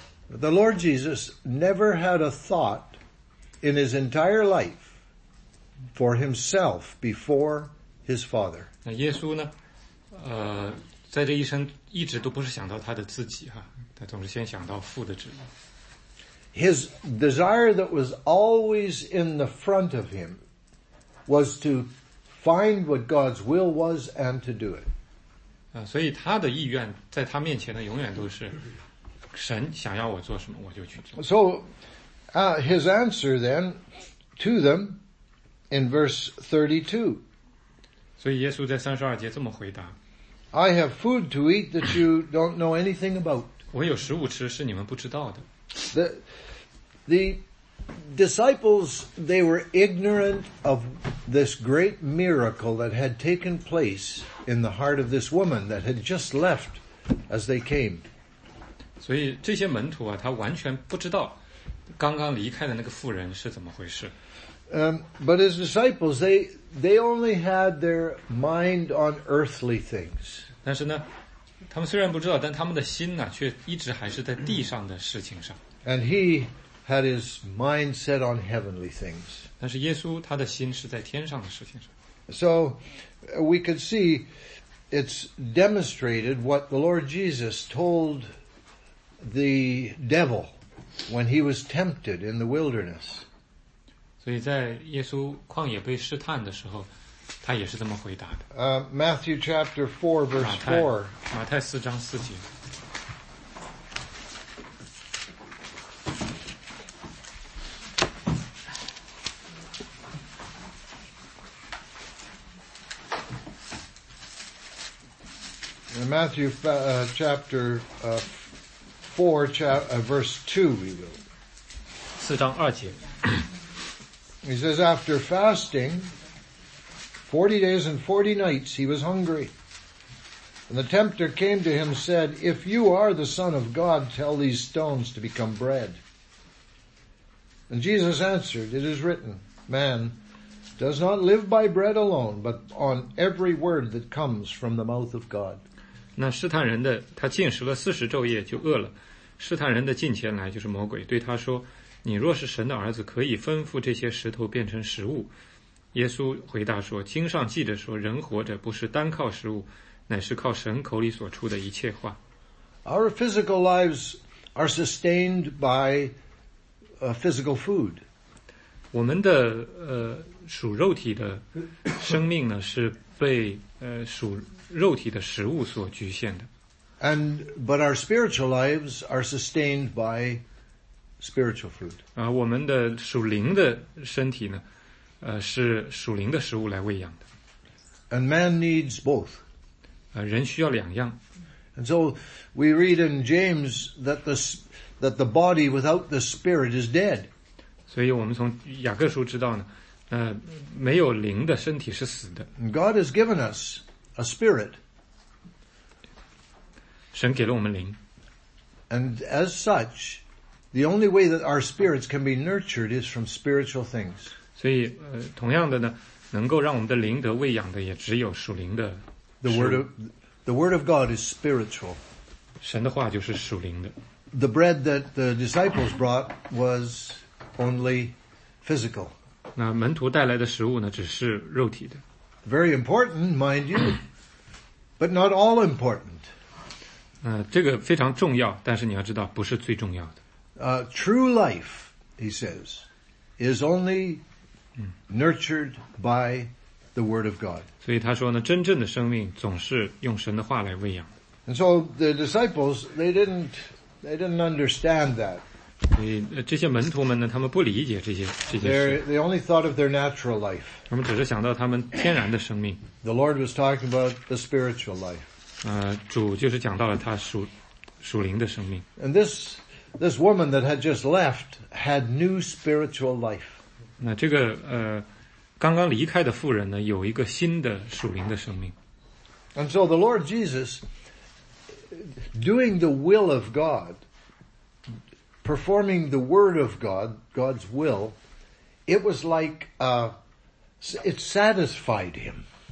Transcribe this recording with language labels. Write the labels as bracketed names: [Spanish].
[English] The Lord Jesus never had a thought in his entire life for himself before his Father. [Chinese] 那耶稣呢？在这一生一直都不是想到他的自己哈，他总是先想到父的旨意。 [English] His desire that was always in the front of him. Was to find what God's will was and to do it. [Chinese] 所以他的意愿在他面前呢，永远都是神想要我做什么，我就去做。 [English] So, his answer then to them in verse 32. [Chinese] 所以耶稣在三十二节这么回答 [English] I have food to eat that you don't know anything about. [Chinese] 我有食物吃是你们不知道的。 [English] The disciples, they were ignorant of this great miracle that had taken place in the heart of this woman that had just left as they came. [Chinese] 所以这些门徒啊，他完全不知道刚刚离开的那个妇人是怎么回事。 [English] But his disciples, they only had their mind on earthly things. [Chinese] 但是呢，他们虽然不知道，但他们的心呢，却一直还是在地上的事情上。 [English] And he had his mind set on heavenly things. [Chinese] 但是耶稣他的心是在天上的事情上。 [English] So we could see it's demonstrated what the Lord Jesus told the devil when he was tempted in the wilderness. [Chinese] 所以在耶稣旷野被试探的时候。他也是这么回答的。 [English] Matthew chapter 4 verse 4. [Chinese] 马太四章四节。 [English] Matthew chapter 4 verse 2, we will. [Chinese] 四章二节。 [English] He says, after fasting, 40 days and 40 nights he was hungry. And the tempter came to him and said, If you are the Son of God, tell these stones to become bread. And Jesus answered, It is written, Man does not live by bread alone, but on every word that comes from the mouth of God. [Chinese] 那试探人的他禁食了40昼夜就饿了。试探人的近前来就是魔鬼对他说你若是神的儿子可以吩咐这些石头变成食物。耶稣回答说经上记着说人活着不是单靠食物乃是靠神口里所出的一切话。 [English] Our physical lives are sustained by physical food. [Chinese] 我们的属肉体的生命呢是被属肉体的食物所局限的。 [English] But our spiritual lives are sustained by spiritual food. [Chinese] 我们的属灵的身体呢是属灵的食物来喂养的。 [English] And man needs both. [Chinese] 人需要两样。 [English] And so we read in James that the body without the spirit is dead. [Chinese] 所以我们从雅各书知道呢，没有灵的身体是死的。 [English] And God has given us a spirit. [Chinese] 神给了我们灵。 [English] And as such, the only way that our spirits can be nurtured is from spiritual things. [Chinese] 所以同样的呢能够让我们的灵得喂养的也只有属灵的。 [English] The word of God is spiritual. [Chinese] 神的话就是属灵的。 [English] The bread that the disciples brought was only physical. [Chinese] 那门徒带来的食物呢只是肉体的。 [English] Very important, mind you, but not all important. [Chinese] 这个非常重要但是你要知道不是最重要的。 [English] True life, he says, is only nurtured by the word of God. [Chinese] 所以他说呢真正的生命总是用神的话来喂养。 [English] And so the disciples, they didn't understand that. [Chinese] 所以这些门徒们呢他们不理解这些事。 [English] They only thought of their natural life. [Chinese] 他们只是想到他们天然的生命。 [English] The Lord was talking about the spiritual life. [Chinese] 主就是讲到了他属灵的生命。 [English] And this woman that had just left had new spiritual life. [Chinese] 那这个刚刚离开的妇人呢有一个新的属灵的生命。 [English] And so the Lord Jesus, doing the will of God, performing the word of God, God's will, it was like, it satisfied him.